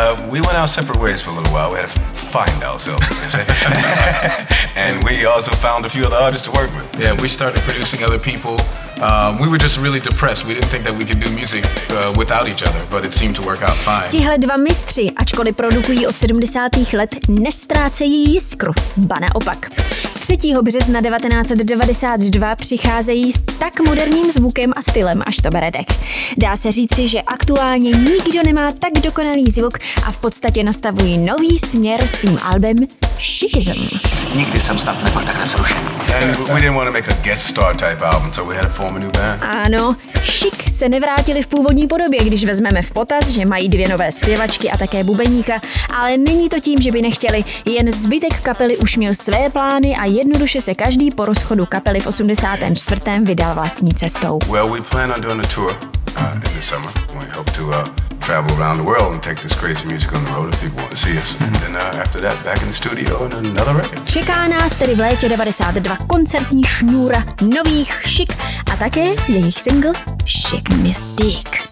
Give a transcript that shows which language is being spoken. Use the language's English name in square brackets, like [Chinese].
[English] We went our separate ways for a little while. We had to find ourselves, as they say. And we also found a few other artists to work with. Yeah, we started producing other people. We were just really depressed. We didn't think that we could do music without each other, but it seemed to work out fine. [Czech] Tihle dva mistři, ačkoliv produkují od 70. let, nestrácejí jiskru, ba naopak. 3. března 1992 přicházejí s tak moderním zvukem a stylem, až to bere dech. Dá se říci, že aktuálně nikdo nemá tak dokonalý zvuk a v podstatě nastavují nový směr svým albem Shizm. Nikdy jsem snad nebyl takhle vzrušený. [English] We didn't want to make a guest star type album, so we had [Czech] Ano, Chic se nevrátili v původní podobě, když vezmeme v potaz, že mají dvě nové zpěvačky a také bubeníka, ale není to tím, že by nechtěli, jen zbytek kapely už měl své plány a jednoduše se každý po rozchodu kapely v 84. vydal vlastní cestou. [English] Well, we plan on doing a tour in the summer. We hope to travel around the world and take this crazy music on the road if people want to see us. And then after that, back in the studio and another record. [Czech] Čeká nás tedy v létě 92 koncertní šňůra nových Chic a také jejich single Chic Mystique.